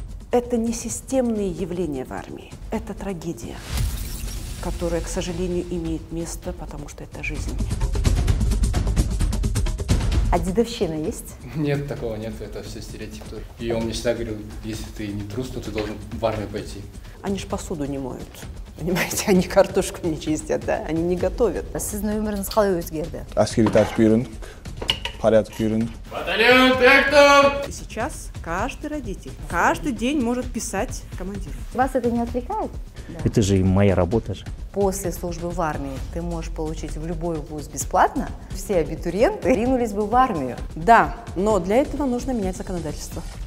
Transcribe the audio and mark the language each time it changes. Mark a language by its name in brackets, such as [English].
[Russian] Это не системные явления в армии. Это трагедия, которая, к сожалению, имеет место, потому что это жизнь. А дедовщина есть? Нет, такого нет. Это все стереотипы. И он мне всегда говорил, если ты не трус, то ты должен в армию пойти. Они ж посуду не моют. Понимаете, они картошку не чистят, да? Они не готовят. [Kazakh] Сіз нөмірін қалай өзгерді? Әскери тәртіп үйрендік, порядок үйрендік. Батальон тектор! [Russian] Сейчас каждый родитель, каждый день может писать командиру. Вас это не отвлекает? Да. Это же моя работа же. После службы в армии ты можешь получить в любой вуз бесплатно. Все абитуриенты ринулись бы в армию. Да, но для этого нужно менять законодательство.